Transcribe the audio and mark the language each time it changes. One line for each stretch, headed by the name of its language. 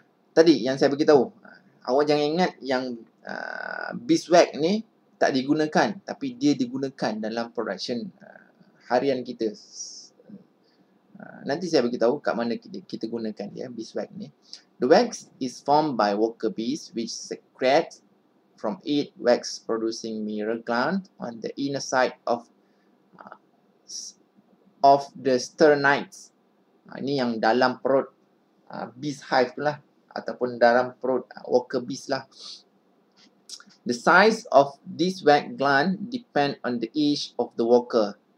Malay: Tadi yang saya beritahu, awak jangan ingat yang beeswax ni tak digunakan, tapi dia digunakan dalam production harian kita. Nanti saya beritahu kat mana kita gunakan dia beeswax ni.
English: The wax is formed by worker bees which secrete from it wax producing mirror gland on the inner side of the sternites.
Malay: Ini yang dalam perut bees hive lah, ataupun dalam perut worker bees lah.
English: The size of this wax gland depend on the age of the worker.